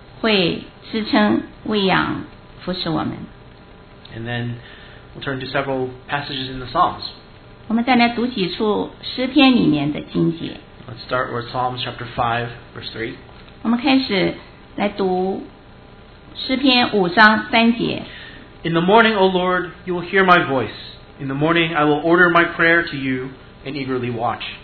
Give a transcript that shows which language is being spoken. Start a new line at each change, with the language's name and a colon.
Chinese: 他的同在,他的话语会支撑,喂养,扶持我们。
English: And then we'll turn to several passages in the Psalms.
Chinese: 我们再来读几处诗篇里面的经节。
English: Let's start with Psalms chapter 5, verse 3.
Chinese: 我们开始来读诗篇5章3节。
English: In the morning, O Lord, You will hear my voice. In the morning, I will order my prayer to You and eagerly watch.